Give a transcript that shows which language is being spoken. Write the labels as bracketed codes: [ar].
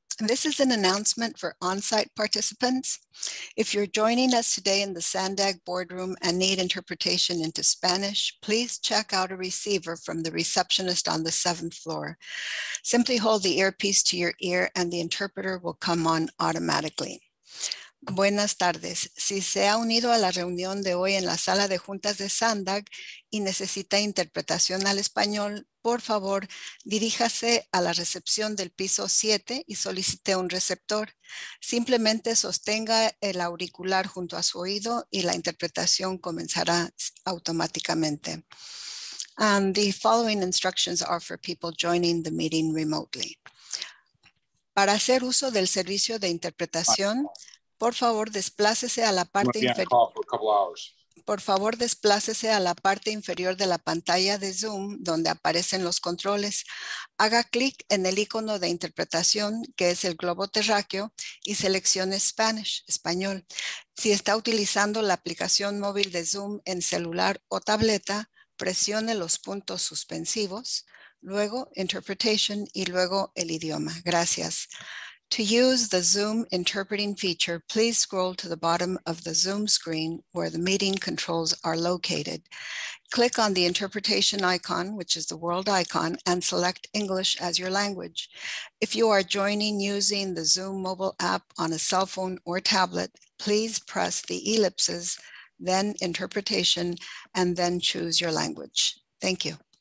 [en] This is an announcement for on-site participants. If you're joining us today in the SANDAG boardroom and need interpretation into Spanish, please check out a receiver from the receptionist on the seventh floor. Simply hold the earpiece to your ear and the interpreter will come on automatically. [es] Buenas tardes. Si se ha unido a la reunión de hoy en la sala de juntas de SANDAG y necesita interpretación al español, por favor, diríjase a la recepción del piso 7 y solicite un receptor. Simplemente sostenga el auricular junto a su oído y la interpretación comenzará automáticamente. [en] And the following instructions are for people joining the meeting remotely. [es] Para hacer uso del servicio de interpretación, por favor, desplácese a la parte inferior. Por favor, desplácese a la parte inferior de la pantalla de Zoom donde aparecen los controles. Haga clic en el icono de interpretación, que es el globo terráqueo, y seleccione [en] Spanish, [es] español. Si está utilizando la aplicación móvil de Zoom en celular o tableta, presione los puntos suspensivos, luego [en] Interpretation [es] y luego el idioma. Gracias. [en] To use the Zoom interpreting feature, please scroll to the bottom of the Zoom screen where the meeting controls are located. Click on the interpretation icon, which is the world icon, and select English as your language. If you are joining using the Zoom mobile app on a cell phone or tablet, please press the ellipses, then interpretation, and then choose your language. Thank you.